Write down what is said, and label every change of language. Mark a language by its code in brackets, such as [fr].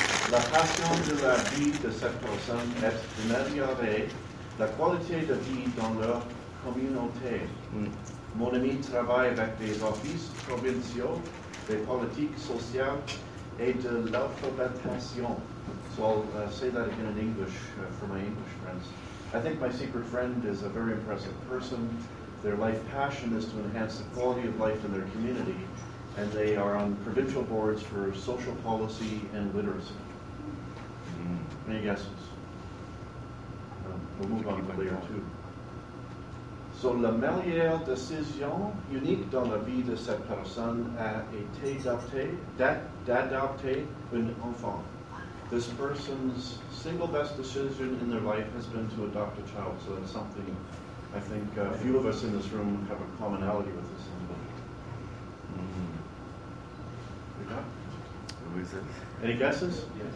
[fr] La passion de la vie de cette personne est d'améliorer la qualité de vie dans leur communauté. Mon ami travaille avec des offices provinciaux, des politiques sociales et de l'alphabetisation. [en] So I'll say that again in English for my English friends. I think my secret friend is a very impressive person. Their life passion is to enhance the quality of life in their community, and they are on provincial boards for social policy and literacy. Any guesses? We'll move on to layer two. [fr] So la meilleure décision unique dans la vie de cette personne a été d'adopter un enfant. [en] This person's single best decision in their life has been to adopt a child. So that's something I think a few of us in this room have a commonality with this individual. Mm-hmm. Who is it? Any guesses? Yes.